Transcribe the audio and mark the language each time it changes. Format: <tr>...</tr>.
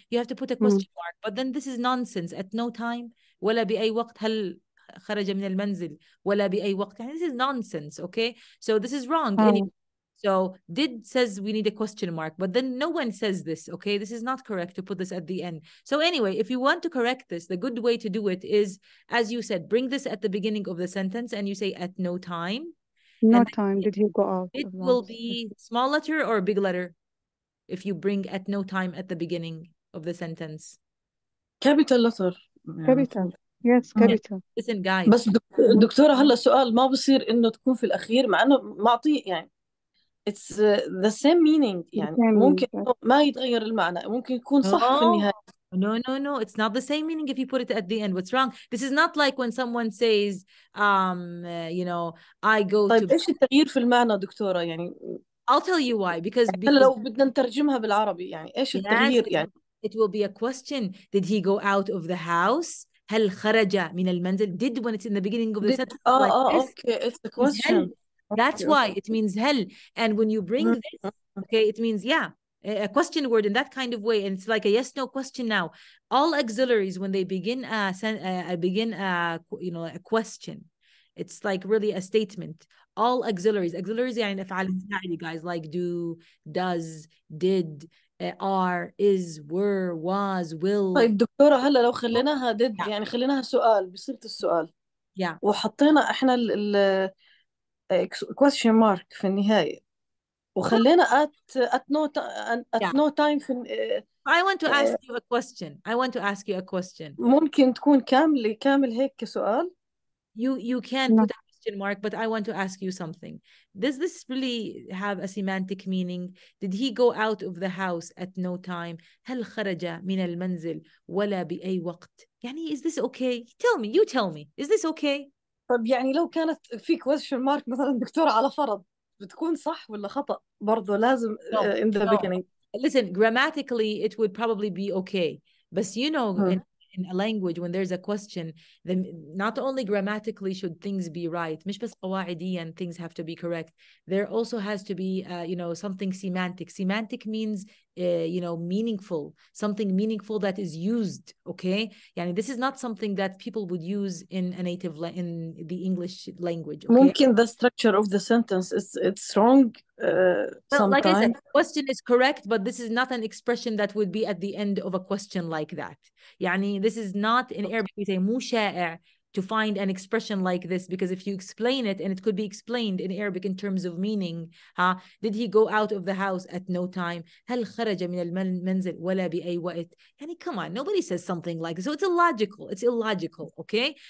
<en>You have to put a question mark. But then this is nonsense. At no time,</en> <ar>ولا بأي وقت هل خرج من المنزل ولا بأي وقت.</ar> <en>This is nonsense, okay? So this is wrong. Oh. Anyway, so did says we need a question mark, but then no one says this, okay? This is not correct to put this at the end. So anyway, if you want to correct this, the good way to do it is, as you said, bring this at the beginning of the sentence and you say at no time. No time, did you go out? It will be small letter or big letter if you bring at no time at the beginning of the sentence. Capital letter. Capital. Yes, capital. Listen, guys.</en> <ar>بس دكتورة هلا سؤال ما بصير إنه تكون في الأخير مع إنه معطي يعني</ar> <en>it's the same meaning</en> <ar>يعني ممكن ما يتغير المعنى ممكن يكون صح في النهاية.</ar> <en>No. It's not the same meaning if you put it at the end. What's wrong? This is not like when someone says I go.</en> <ar>طيب إيش التغيير في المعنى دكتورة يعني؟</ar> <en>I'll tell you why because</en> <ar>هلا لو بدنا نترجمها بالعربي يعني إيش التغيير يعني؟</ar> <en>It will be a question. Did he go out of the house?</en> <ar>هل خرج من المنزل?</ar> <en>Did when it's in the beginning of the sentence. Okay, it's a question. That's why it means هل. And when you bring this, okay, it means, yeah, a question word in that kind of way. And it's like a yes, no question now. All auxiliaries, when they begin a question, it's like really a statement. All auxiliaries,</en> <ar>يعني أفعال مساعدة,</ar> <en>guys, like do, does, did, are, is, were, was, will.</en> <ar>طيب دكتورة هلا لو خليناها did يعني خليناها سؤال بصيرة السؤال.</ar> <en>Yeah.</en> <ar>وحطينا إحنا ال question mark في النهاية وخلينا</ar> <en>at no time</en> <ar>في.</ar> <en>I want to ask you a question. I want to ask you a question.</en> <ar>ممكن تكون كامل هيك كسؤال.</ar> <en>You can put a question mark, but I want to ask you something. Does this really have a semantic meaning? Did he go out of the house at no time?</en> <ar>هل خرج من المنزل ولا بأي وقت?</ar> <en>يعني, is this okay? Tell me, you tell me. Is this okay?</en> <ar>طب يعني لو كانت في question mark مثلا دكتورة على فرض, بتكون صح ولا خطأ برضو لازم</ar> <en>in the beginning. Listen, grammatically, it would probably be okay. But you know, in a language, when there's a question, then not only grammatically should things be right,</en> <ar>مش بس قواعدياً</ar> <en>things have to be correct. There also has to be, you know, something semantic. Semantic means, you know, meaningful. Something meaningful that is used, okay? يعني this is not something that people would use in a native, in the English language, okay? ممكن the structure of the sentence, it's wrong sometimes. Like I said, the question is correct, but this is not an expression that would be at the end of a question like that. يعني this is not in Arabic, we say</en> <ar>مو شائع</ar> <en>to find an expression like this, because if you explain it, and it could be explained in Arabic in terms of meaning, huh? Did he go out of the house at no time?</en> <ar>هل خرج من المنزل ولا بأي وقت?</ar> <en>يعني come on, nobody says something like this. So it's illogical. It's illogical, okay?</en>